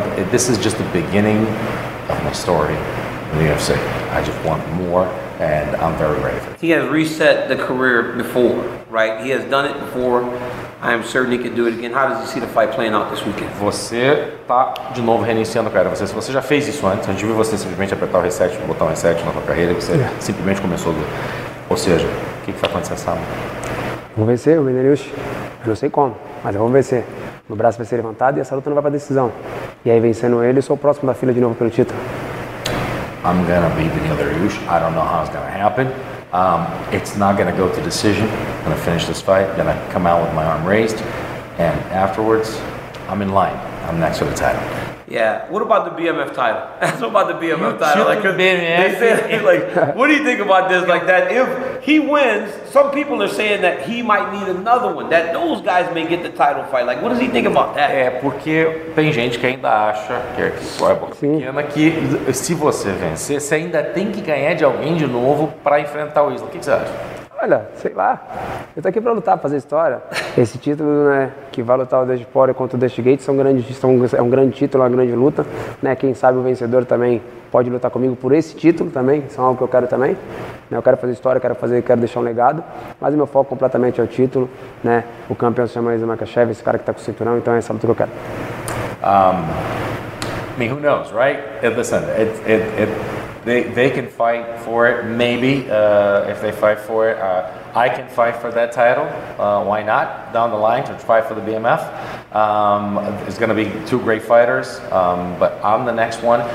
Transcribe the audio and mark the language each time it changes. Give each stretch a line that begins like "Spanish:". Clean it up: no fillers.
English: This is just the beginning of my story in the UFC. I just want more. And I'm very ready for it. He has reset the career before, right? He has done it before. I am certain he can do it again. How does he see the fight playing out this weekend?
Portuguese: Você tá de novo reiniciando a carreira. Você já fez isso antes. A gente viu você simplesmente apertar o reset, botar o reset na sua carreira. Você simplesmente começou do... Ou seja, o que vai acontecer sábado? Vou vencer, o Benelius. Eu não sei como, mas eu vou vencer. Meu braço vai ser levantado e essa luta não vai pra decisão. E aí, vencendo ele, eu sou o próximo da fila de novo pelo título.
English: I'm going to be Benil Dariush. I don't know how it's going to happen. It's not going to go to decision. I'm going to finish this fight. Then I come out with my arm raised. And afterwards, I'm in line. I'm next to the title. Yeah. What about the BMF title? That's about the BMF you title. Like, they said, like, what do you think about this? Like that, if he wins, some people are saying that he might need another one, that those guys may get the title fight. Like, what does he think about that?
Portuguese: É, porque tem gente que ainda acha, que é a boca pequena, que se você vencer, você ainda tem que ganhar de alguém de novo para enfrentar o Islam. O que você acha? Olha, sei lá, eu tô aqui pra lutar, pra fazer história. Esse título, né, que vai lutar o Dusty Poirier contra o Dusty Gates, é um grande título, uma grande luta, né? Quem sabe o vencedor também pode lutar comigo por esse título também, isso é algo que eu quero também, né? Eu quero fazer história, quero deixar um legado, mas o meu foco completamente é o título, né? O campeão se chama Islam Makhachev, esse cara que tá com o cinturão, então é essa luta que eu quero.
English: I mean, who knows, right? Listen, they can fight for it, maybe, if they fight for it. I can fight for that title, why not, down the line, to fight for the BMF. It's going to be two great fighters, but I'm the next one.